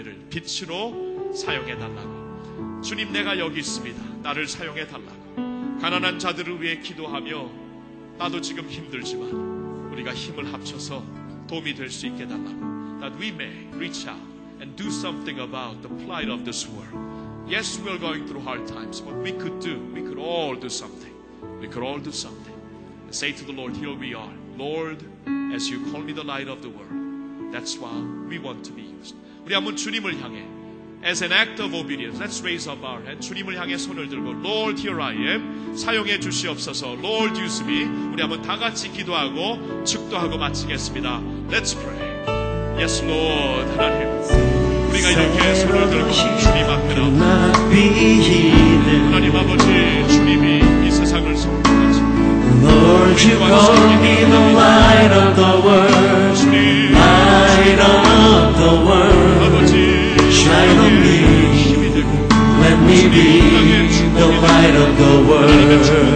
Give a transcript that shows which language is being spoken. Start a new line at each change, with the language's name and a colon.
Korean: 빛으로 사용해 달라고, 주님 내가 여기 있습니다, 나를 사용해 달라고, 가난한 자들을 위해 기도하며 나도 지금 힘들지만 우리가 힘을 합쳐서 도움이 될 수 있게 달라고.
English: That we may reach out and do something about the plight of this world. Yes, we are going through hard times, but we could all do something. say to the Lord, here we are. Lord, as you call me the light of the world, that's why we want to be used.
Korean: 우리 한번 주님을 향해,
English: as an act of obedience, let's raise up our hand.
Korean: 주님을 향해 손을 들고,
English: Lord, here I am.
Korean: 사용해 주시옵소서.
English: Lord, use me.
Korean: 우리 한번 다 같이 기도하고 축도하고 마치겠습니다.
English: Let's pray. Yes, Lord,
Korean: 하나님. 우리가 이렇게 손을 들고 주님 앞에 나옵니다. 하나님 아버지, 주님이 이 세상을 선포하시고
English: Lord, you call me the light of the world. Light of the world. Shine on me. Let me be the light of the world.